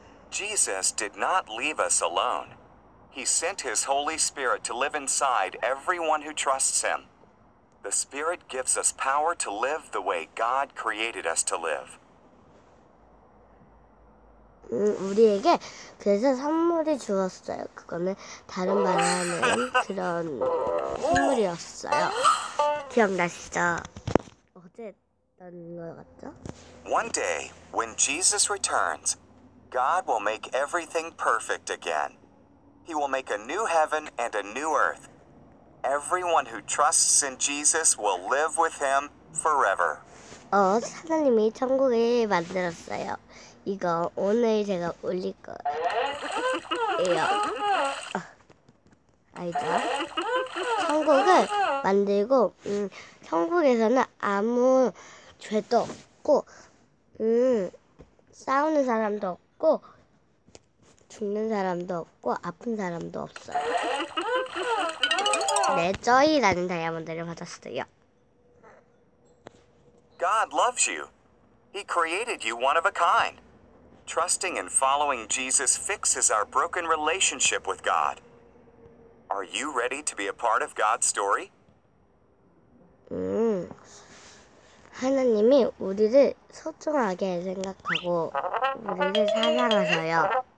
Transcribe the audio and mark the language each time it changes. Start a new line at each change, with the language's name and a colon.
English: Jesus did not leave us alone. He sent his Holy Spirit to live inside everyone who trusts him. The Spirit gives us power to live the way God created us to live.
Korean: 우리에게 그래서 선물이 주었어요. 그거는 다른 말 하는 그런 선물이었어요. 기억나시죠? 어제 했던 것 같죠?
English: One day, when Jesus returns, God will make everything perfect again. He will make a new heaven and a new earth. Everyone who trusts in Jesus will live with him forever.
Korean: 하나님이 천국을 만들었어요. 이거 오늘 제가 올릴 거예요. 아이다. 천국을 만들고, 천국에서는 아무 죄도 없고, 싸우는 사람도 없고, 죽는 사람도 없고, 아픈 사람도 없어요. 네, 쩌이라는 다이아몬드를 받았어요.
English: God loves you. He created you one of a kind. Trusting and following Jesus fixes our broken relationship with God. Are you ready to be a part of God's story?
Korean: 하나님이 우리를 소중하게 생각하고 우리를 사랑하셔요.